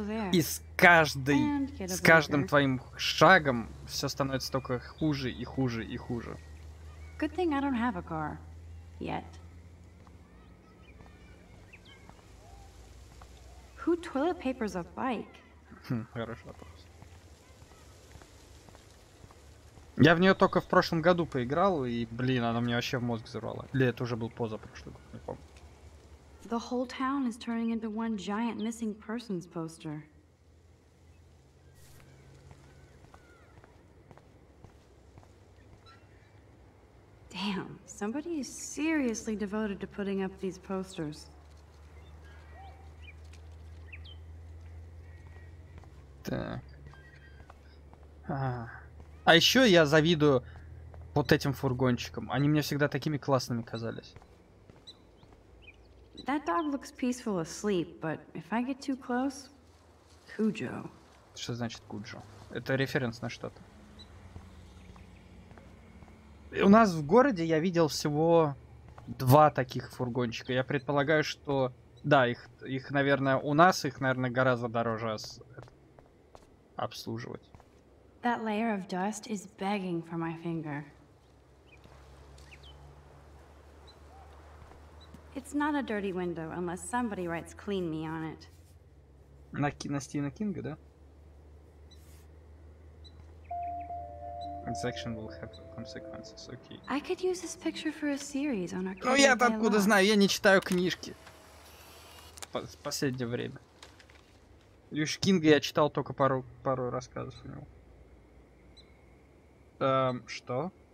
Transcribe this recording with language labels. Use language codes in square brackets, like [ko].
[ru] И с каждым твоим шагом все становится только хуже и хуже и хуже. [en] Good thing I don't have a car yet. Who toilet papers a bike? [ru] Хороший вопрос. Я в нее только в прошлом году поиграл, и блин, она мне вообще в мозг взорвала. Или это уже был позапрошлый год, не помню. [en] The whole town is turning into one giant missing persons poster. Damn, somebody is seriously devoted to putting up these posters. [ru] Так. А еще я завидую вот этим фургончикам. Они мне всегда такими классными казались. [en] That dog looks peaceful asleep, but if I get too close, Cujo. [ru] Что значит Cujo? Это референс на что-то. У нас в городе я видел всего два таких фургончика. Я предполагаю, что... Да, их наверное, у нас их, наверное, гораздо дороже обслуживать. [en] That layer of dust is begging for my finger. It's not a dirty window, unless somebody writes clean me on it. [ru] На Стивена Кинга, да? [en] Section will have consequences. Okay. I could use this picture for a series on our. [ru] Ну я-то откуда знаю, я не читаю книжки. В последнее время. Юш Кинга я читал только пару рассказов у него. Что?